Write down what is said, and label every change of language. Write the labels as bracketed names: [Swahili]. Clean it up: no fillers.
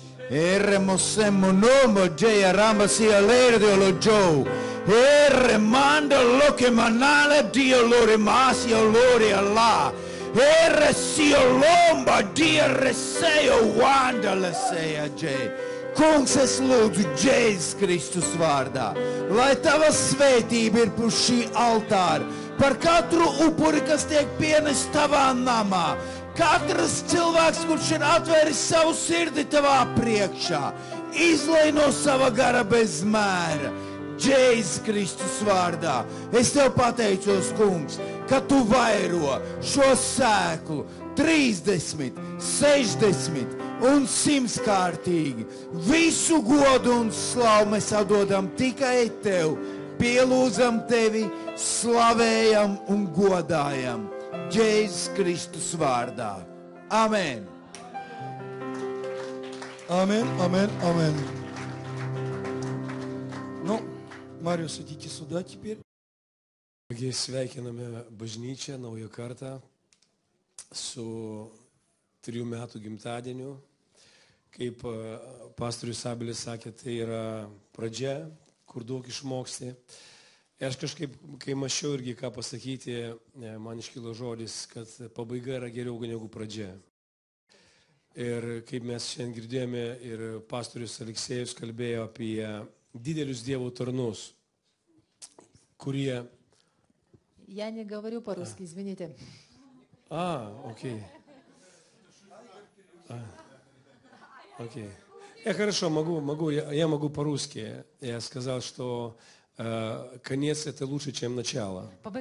[Latvian] Эремосему номо джея рама си алэр диоло джоу. Эреманда локи манале диоло ремаси алори алла. Эресио ломба диа ресео ванда лесея джея. Kungs, es lūdzu Jēzus Kristus vārdā, lai tava svētība ir par šī altāra, par katru upuri, kas tiek pienests tavā namā, katrs cilvēks, kurš ir atvēris savu sirdi tavā priekšā, izlej no sava gara bez mēra, Jēzus Kristus vārdā. Es tev pateicos, kungs, ka tu vairo šo sēklu 30, 60, un simts kārtīgi. Visu godu un slavu mēs atdodam tikai Tev. Pielūzam Tevi, slavējam un godājam. Jēzus Kristus vārdā. Amen. Amen, amen, amen. Nu, Mariju, sūdīti sūdā tīpēr. [Lithuanian] Mēs sveikiname bažnyčią naują kartą su 3 metų gimtadieniu. Kaip pastorius Abelis sakė, tai yra pradžia, kur daug išmoksti. Aš kažkaip, kai mašiau irgi ką pasakyti, man iškilo žodis, kad pabaiga yra geriau negu pradžia. Ir kaip mes šiandien girdėjome, ir pastorius Aleksejus kalbėjo apie didelius dievo tarnus, kurie... [Russian] Я не говорю по-русски, извините. А, окей. А. Окей. Я хорошо, могу, я могу по-русски. Я сказал, что конец это лучше, чем начало.